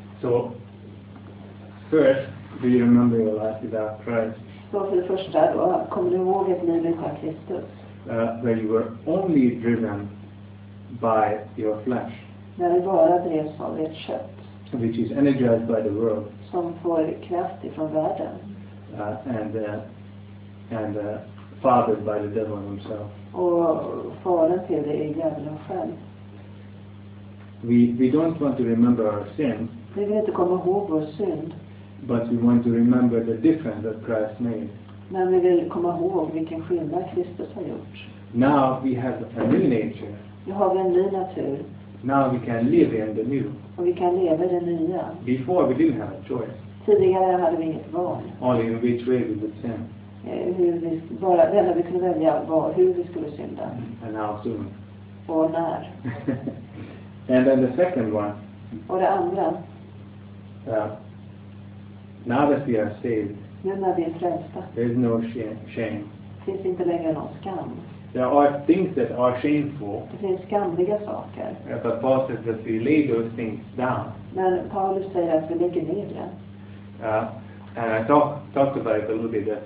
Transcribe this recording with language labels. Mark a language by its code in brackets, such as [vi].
[en] So, first, do you remember your life without Christ? [sv] Så för det första då, kommer du ihåg ett liv utan Kristus? [en] Where you were only driven by your flesh. [sv] När du bara drevs av ditt kött. [en] Which is energized by the world. [sv] Som får kraft ifrån världen. [en] And fathered by the devil himself. [sv] Och fadern till det är djävulen själv. [en] We don't want to remember our sin. [sv] Vi vill inte komma ihåg vår synd. [en] But we want to remember the difference that Christ made. [sv] Men vi vill komma ihåg vilken skillnad Kristus har gjort. [en] Now we have a new nature. [sv] Nu har vi en ny natur. [en] Now we can live in the new. [sv] Och vi kan leva i det nya. [en] Before we didn't have a choice. [sv] Tidigare hade vi inget val. [en] Only in which way we would sin. [sv] Vi kunde välja var, hur vi skulle synda. [en] And how soon. [sv] Och när. [en] And then the second one. [sv] Och det andra. [en] Now that we are saved. [sv] Nu när vi är frälsta. [en] There is no shame. [sv] Finns inte längre någon skam. [en] There are things that are shameful. [sv] Det finns skamliga saker. [en] But Paul says that we lay those things down. [sv] Men Paulus säger att vi lägger ner det. [en] And I talked about it a little bit.